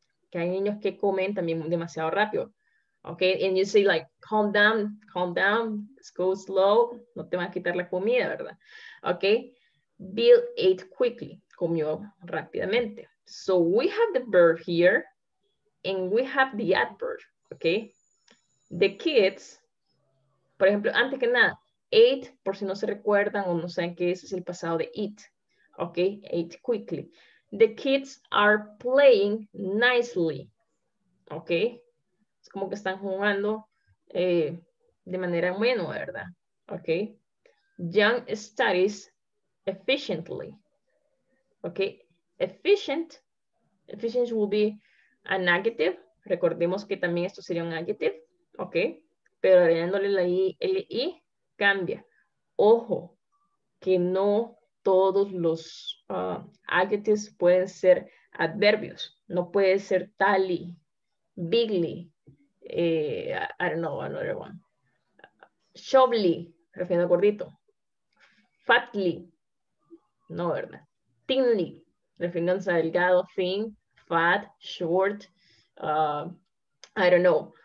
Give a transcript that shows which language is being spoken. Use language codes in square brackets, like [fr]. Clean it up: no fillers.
[es] Que hay niños que comen también demasiado rápido. [en] Okay, and you say like, calm down, let's go slow. [es] No te van a quitar la comida, ¿verdad? [en] Okay, Bill ate quickly, [es] comió rápidamente. [en] So we have the verb here, and we have the adverb, okay? [es] The kids, por ejemplo, antes que nada, ate, por si no se recuerdan o no saben qué es el pasado de eat, okay? [en] Ate quickly. The kids are playing nicely, okay? [es] Es como que están jugando de manera buena, ¿verdad? Okay. [en] Young studies efficiently. Okay, efficient. Efficient will be an adjective. [es] Recordemos que también esto sería un adjective. Okay, pero agregándole la I, el I cambia. Ojo, que no todos los adjectives pueden ser adverbios. No puede ser [en] tally, bigly, I don't know, another one. [es] Shovely, refiriendo gordito. Fatly, no, ¿verdad? [en] Thinly, [es] refiriéndose a delgado, [en] thin, fat, short, I don't know.